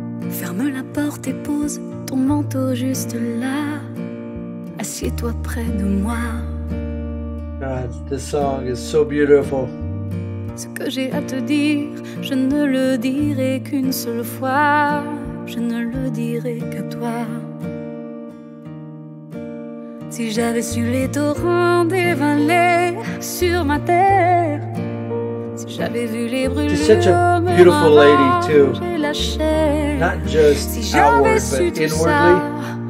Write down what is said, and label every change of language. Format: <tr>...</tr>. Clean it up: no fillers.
<fr>Ferme la porte et pose ton manteau juste là. Assieds-toi près de moi.</fr> <en>God, this song is so beautiful.</en> <fr>Ce que j'ai à te dire, je ne le dirai qu'une seule fois. Je ne le dirai qu'à toi. Si j'avais su les torrents dévaler sur ma terre.</fr> <en>She's such a beautiful lady too. Not just outward, but inwardly.</en>